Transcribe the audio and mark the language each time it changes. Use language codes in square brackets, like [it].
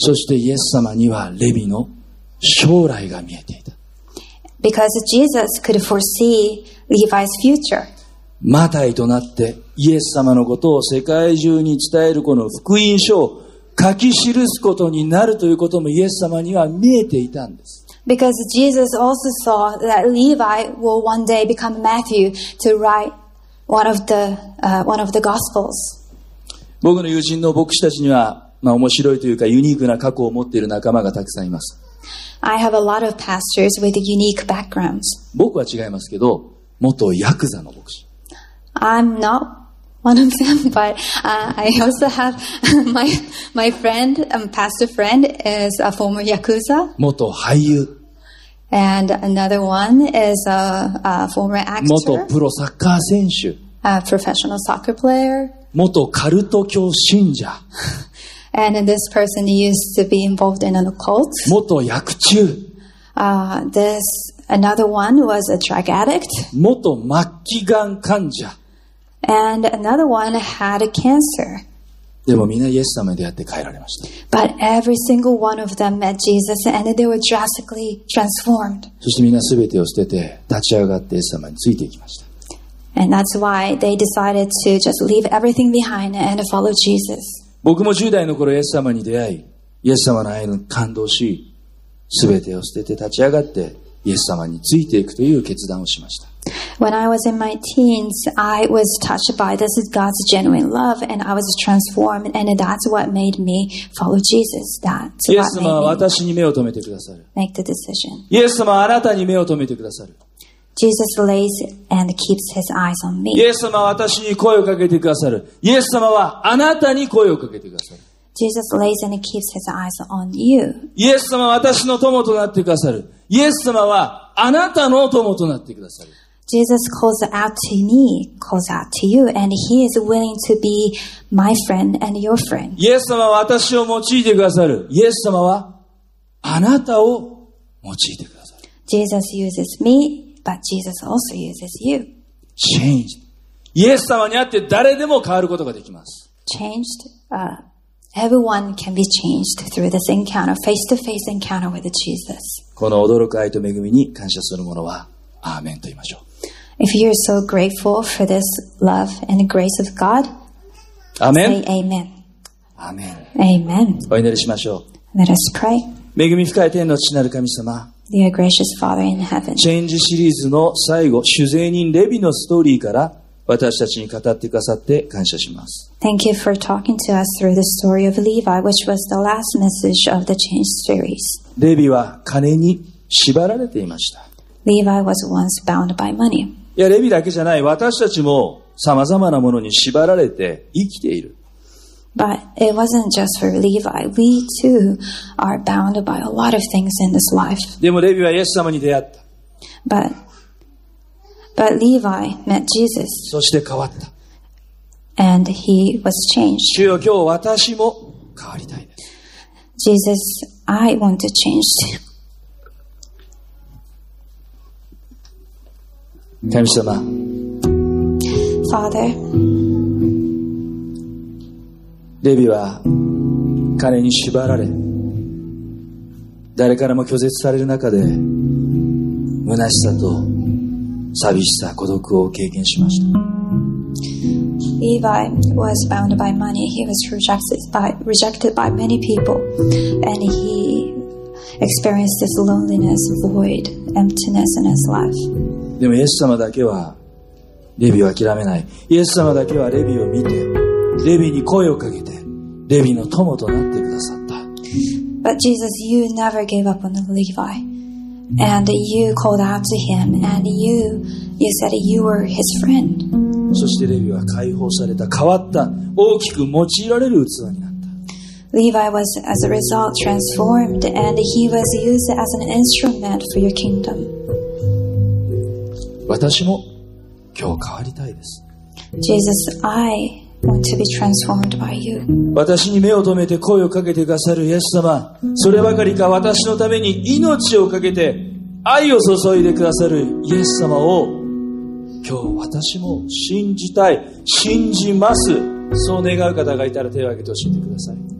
[ja] そしてイエス様にはレビの将来が見えていた。 [en] Because Jesus could foresee Levi's future. [ja] マタイとなってイエス様のことを世界中に伝えるこの福音書を書き記すことになるということもイエス様には見えていたんです。 [en] Because Jesus also saw that Levi will one day become Matthew to write one of the Gospels. [ja] 僕の友人の牧師たちには、まあ、面白いというかユニークな過去を持っている仲間がたくさんいます。 [en] I have a lot of pastors with unique backgrounds. [ja] 僕は違いますけど、元ヤクザの牧師。 [en] I'm not one of them, but I also have my friend, pastor friend is a former Yakuza. [ja] 元俳優。 [en] And another one is a former actor. [ja] 元プロサッカー選手。 [en] A professional soccer player. [ja] 元カルト教信者。 [en] And this person used to be involved in an occult. [ja] 元薬中。 [en] This another one was a drug addict. [ja] 元末期がん患者。 [en] And another one had a cancer. [ja] でもみんなイエス様に出会って変えられました。 [en] But every single one of them met Jesus and they were drastically transformed. [ja] そしてみんな全てを捨てて立ち上がってイエス様についていきました。 [en] And that's why they decided to just leave everything behind and follow Jesus. [ja] 僕も10代の頃イエス様に出会い、イエス様の愛に感動し、全てを捨てて立ち上がってイエス様についていくという決断をしました。 [en] When I was in my teens, I was touched by this God's genuine love, and I was transformed, and that's what made me follow Jesus. That's what made me. [ja] イエス様は私に目を留めてくださる。 [en] Make the decision. [ja] イエス様はあなたに目を留めてくださる。 [en] Jesus lays and keeps his eyes on me. [ja] イエス様は私に声をかけてくださる。イエス様はあなたに声をかけてくださる。 [en] Jesus lays and keeps his eyes on you. [ja] イエス様は私の友となってくださる。イエス様はあなたの友となってくださる。 [en] Jesus calls out to me, calls out to you, and he is willing to be my friend and your friend. [ja] イエス様は私を用いてくださる。イエス様はあなたを用いてくださる。 [en] Jesus uses me, but Jesus also uses you. Changed. [ja] イエス様にあって誰でも変わることができます。 [en] Changed. Everyone can be changed through this encounter, face-to-face encounter with Jesus. [ja] この驚く愛と恵みに感謝する者は、アーメンと言いましょう。 [en] If you're so grateful for this love and grace of God, Amen. Say Amen. Amen. Amen. [ja] お祈りしましょう。 [en] Let us pray. [ja] 恵み深い天の父なる神様。 [en] Dear gracious Father in heaven. [ja] チェンジシリーズの最後、主税人レビのストーリーから私たちに語ってくださって感謝します。 [en] Thank you for talking to us through the story of Levi, which was the last message of the change series. [ja] レビは金に縛られていました。 [en] Levi was once bound by money. [ja] いや、レビだけじゃない。私たちも様々なものに縛られて生きている。 [en] But it wasn't just for Levi. We too are bound by a lot of things in this life. [ja] でもレビはイエス様に出会った。 [en] But Levi met Jesus. [ja] そして変わった。 [en] And he was changed. [ja] 主よ、今日私も変わりたいです。 [en] Jesus, I want to change too. [ja] 神様。 [en] Father. [ja] レビは金に縛られ、誰からも拒絶される中で、虚しさと寂しさ、孤独を経験しました。 [en] Levi was bound by money. He was rejected by many people. And he experienced this loneliness, void, emptiness in his life. [ja] でもイエス様だけはレビを諦めない。イエス様だけはレビを見て、レビに声をかけて、レビの友となってくださった。 [en] But Jesus, you never gave up on Levi. And you called out to him. And you said you were his friend. [ja] そしてレビは解放された変わった大きく用いられる器になった [en] Levi was as a result transformed and he was used as an instrument for your kingdom [ja] 私も今日変わりたいです [en] Jesus, I want to be transformed by you [ja] 私に目を留めて声をかけてくださるイエス様そればかりか私のために命をかけて愛を注いでくださるイエス様を今日私も信じたい信じますそう願う方がいたら手を挙げて教えてください